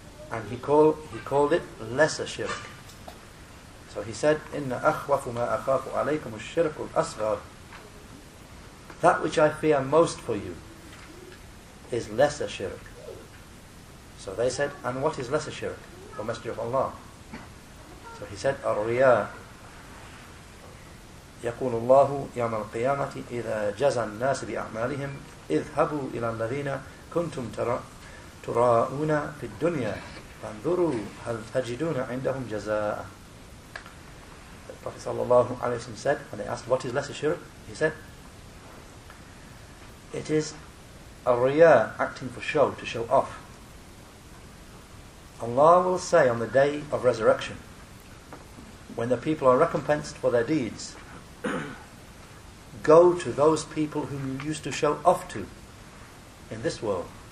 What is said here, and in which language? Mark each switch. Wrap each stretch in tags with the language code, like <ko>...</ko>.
<en>And he called it lesser shirk. So he said,</en> <ar>"Inna akhwafu ma akhafu alaykum ash-shirku al-asghar."</ar> <en>That which I fear most for you is lesser shirk. So they said, "And what is lesser shirk, O Messenger of Allah?" So he said, "Ar-riya."</en> <ar>يقول الله يوم القيامة إذا جزى الناس بأعمالهم اذهبوا إلى الذين كنتم تراؤون في الدنيا فانظروا هل تجدون عندهم جزاء.</ar> <en>The Prophet sallallahu alaihi wasallam said, when they asked what is lesser shirk, he said, it is a riya, acting for show, to show off. Allah will say on the day of resurrection, when the people are recompensed for their deeds, go to those people whom you used to show off to in this world.</en>